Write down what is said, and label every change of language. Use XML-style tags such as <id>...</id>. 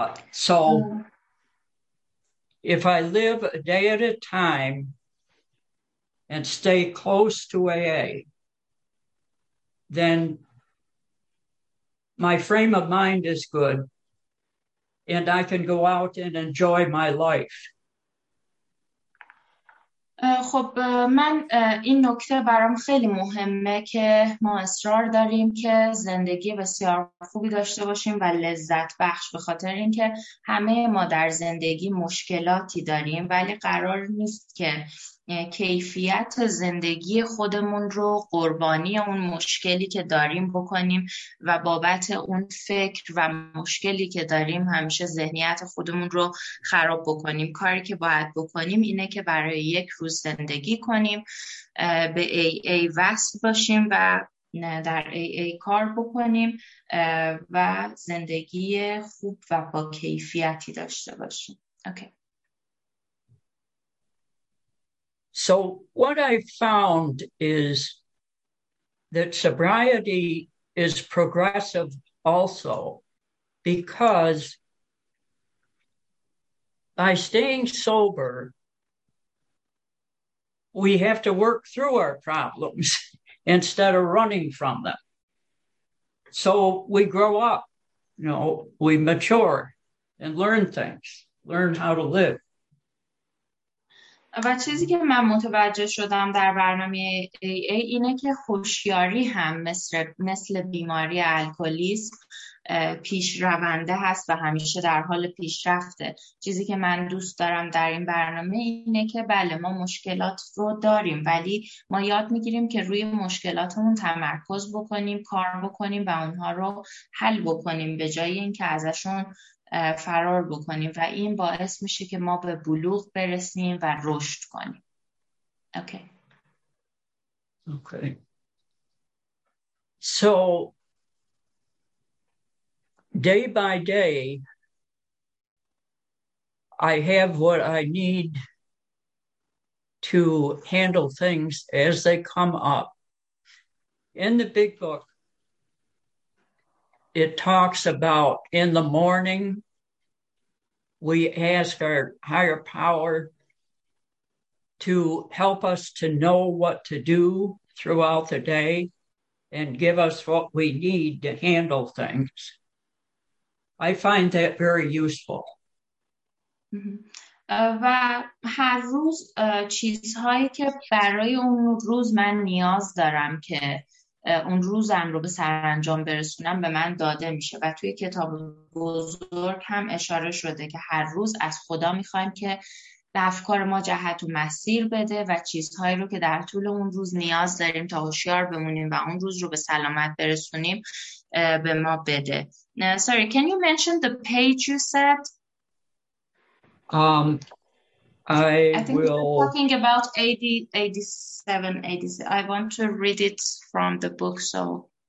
<en>So if I live a day at a time and stay close to AA, then my frame of mind is good and I can go out and enjoy my life.</en> <fa>خب من این نکته برام خیلی مهمه که ما اصرار داریم که زندگی بسیار خوبی داشته باشیم و لذت بخش، به خاطر اینکه همه ما در زندگی مشکلاتی داریم ولی قرار نیست که کیفیت زندگی خودمون رو قربانی اون مشکلی که داریم بکنیم و بابت اون فکر و مشکلی که داریم همیشه ذهنیت خودمون رو خراب بکنیم. کاری که باید بکنیم اینه که برای یک روز زندگی کنیم، به AA وصل باشیم و در AA کار بکنیم و زندگی خوب و با کیفیتی داشته باشیم.</fa> <en>Okay. So what I found is that sobriety is progressive also, because by staying sober, we have to work through our problems instead of running from them. So we grow up, you know, we mature and learn things, learn how to live.</en> <fa>و چیزی که من متوجه شدم در برنامه AA اینه که هوشیاری هم مثل بیماری الکلیسم پیش رونده هست و همیشه در حال پیشرفته. چیزی که من دوست دارم در این برنامه اینه که بله، ما مشکلات رو داریم ولی ما یاد میگیریم که روی مشکلاتمون تمرکز بکنیم، کار بکنیم و اونها رو حل بکنیم به جای اینکه ازشون فرار بکنیم و این باعث میشه که ما به بلوغ برسیم و رشد کنیم.</fa> <en>Okay. Okay. So day by day I have what I need to handle things as they come up. In the big book it talks about in the morning we ask our higher power to help us to know what to do throughout the day and give us what we need to handle things. I find that very useful.</en> <fa>و هر روز چیزهایی که برای اون روز من نیاز دارم که اون روزم رو به سرانجام برسونم به من داده میشه و توی کتاب بزرگ هم اشاره شده که هر روز از خدا میخوایم که به افکار ما جهت و مسیر بده و چیزهایی رو که در طول اون روز نیاز داریم تا هوشیار بمونیم و اون روز رو به سلامت برسونیم به ما بده. Sorry, can you mention the page you said? I think we're talking about 87, 86. I want to read it from the book, so.</fa>